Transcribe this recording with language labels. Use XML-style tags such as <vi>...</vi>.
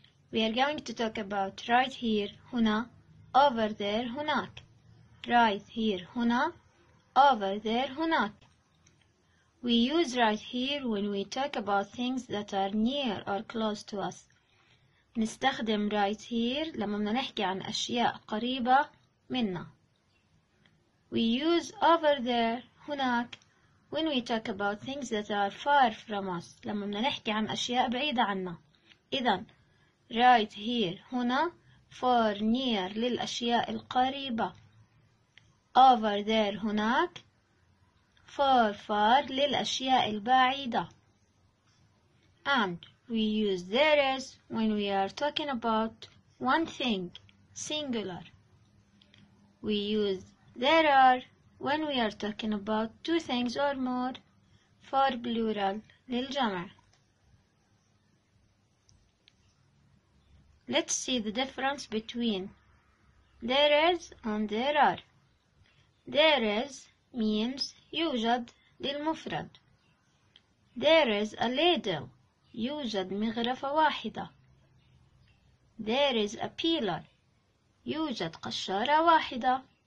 <en>We are going to talk about right here, huna, over there, hunak. Right here, huna, over there, hunak. We use right here when we talk about things that are near or close to us.</en> <ar>نستخدم right here لما نحكي عن أشياء قريبة منا.</ar> <en>We use over there, hunak. When we talk about things that are far from us,</en> <ar>لما نحكي عن أشياء بعيدة عنا. إذن,</ar> <en>right here,</en> <ar>هنا,</ar> <en>far near</en> <ar>للأشياء القريبة.</ar> <en>Over there,</en> <ar>هناك,</ar> <en>far far</en> <ar>للأشياء البعيدة.</ar> <en>And we use there is when we are talking about one thing, singular. We use there are when we are talking about two things or more, for plural, للجمع. Let's see the difference between there is and there are. There is means</en> <ar>يوجد للمفرد.</ar> <en>There is a ladle,</en> <ar>يوجد مغرفة واحدة.</ar> <en>There is a peeler,</en> <ar>يوجد قشارة واحدة.</ar>